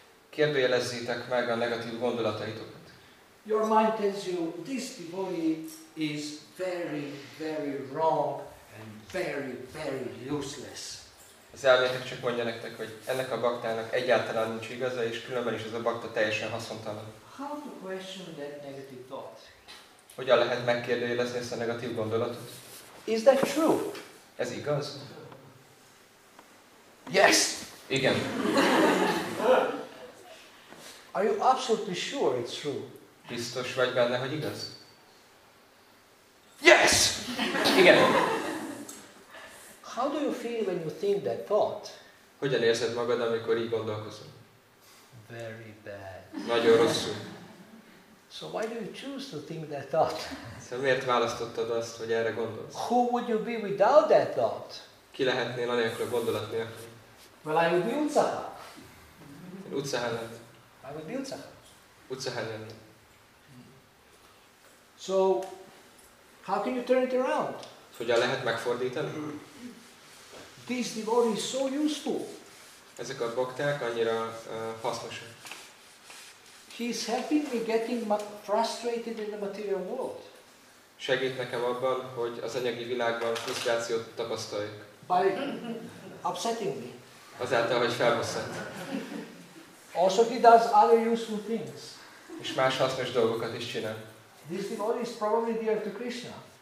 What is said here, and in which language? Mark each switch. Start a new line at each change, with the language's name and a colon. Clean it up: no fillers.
Hungarian: Kérdőjelezzétek meg a negatív gondolataitokat.
English: Your mind tells you this devotee is very, very wrong and very, very useless.
Hungarian: Az elmétek csak mondja nektek, hogy ennek a baktának egyáltalán nincs igaza, és különben is ez a bakta teljesen haszontalan.
English: How to question that negative thought?
Hungarian: Hogyan lehet megkérdőjelezni ezt a negatív gondolatot?
English: Is that true?
Hungarian: Ez igaz?
English: Yes!
Hungarian: Igen.
English: Are you absolutely sure it's true?
Hungarian: Biztos vagy benne, hogy igaz?
English: Yes!
Hungarian: Igen.
English: How do you feel when you think that thought?
Hungarian: Hogyan érzed magad, amikor így gondolkozol?
English: Very bad.
Hungarian: Nagyon rosszul.
English: So why do you choose to think that thought?
Hungarian: Szóval miért választottad azt, hogy erre gondolsz?
English: Who would you be without that thought?
Hungarian: Ki lehetnél anélkül a gondolat nélkül?
English: Well, I would be utcaha.
Hungarian: Én utcaha lett.
English: I would be utcaha.
Hungarian: Utcaha lenni.
English: So, how can you turn it around?
Hungarian: Hogyan lehet megfordítani?
English: This devotee is so useful.
Hungarian: Ezek a bakták annyira hasznosak.
English: He's helping me getting frustrated in the material world.
Hungarian: Segít nekem abban, hogy az anyagi világban frusztrációt tapasztaljak.
English: By upsetting me.
Hungarian: Azáltal, hogy felbosszant.
English: Also he does other useful things.
Hungarian: És más hasznos dolgokat is csinál.
English: This devotee is probably dear to Krishna.